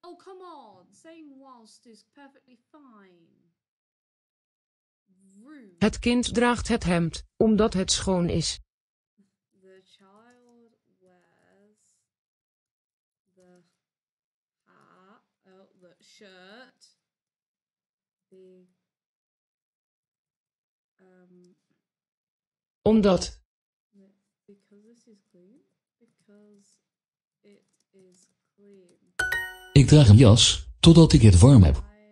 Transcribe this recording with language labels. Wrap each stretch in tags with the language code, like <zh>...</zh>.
<en>Come on, saying whilst is perfectly fine. Rude.</en> <nl>Het kind draagt het hemd, omdat het schoon is.</nl> <en>The child wears the hat, oh, the shirt, the,</en> <nl>omdat.</nl> <en>Because this is clean, because it is clean.</en> <nl>Ik draag een jas, totdat ik het warm heb.</nl>